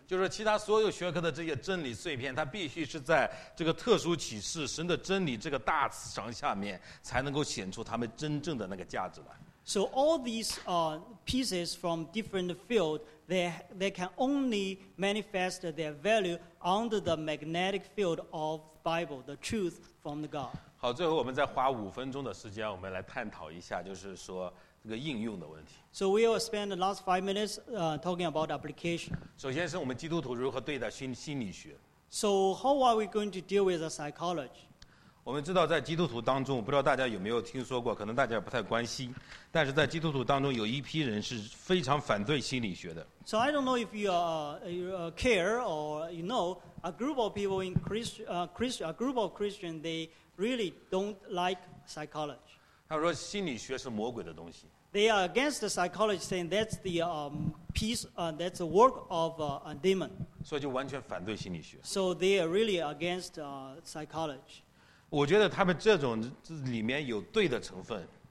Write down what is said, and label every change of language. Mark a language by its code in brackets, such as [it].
[zh] 就是其他所有学科的这些真理碎片，它必须是在这个特殊启示神的真理这个大磁场下面，才能够显出它们真正的那个价值来。 [en] So all these pieces from different fields, they can only manifest their value under the magnetic field of the Bible, the truth from the God. [zh] 好，最后我们再花五分钟的时间，我们来探讨一下，就是说这个应用的问题。 [en] So we will spend the last 5 minutes talking about application. [zh] 首先是我们基督徒如何对待心理学。 [en] So how are we going to deal with the psychology? [zh] 我们知道在基督徒当中，不知道大家有没有听说过，可能大家不太关心，但是在基督徒当中有一批人是非常反对心理学的。 [en] So I don't know if you care or you know a group of people in a group of Christians, they really don't like psychology. [zh] 他说心理学是魔鬼的东西。 [en] They are against the psychology, saying that's the that's the work of a demon. [zh] 所以就完全反对心理学。 [en] So they are really against psychology. [zh] 我觉得他们这种里面有对的成分。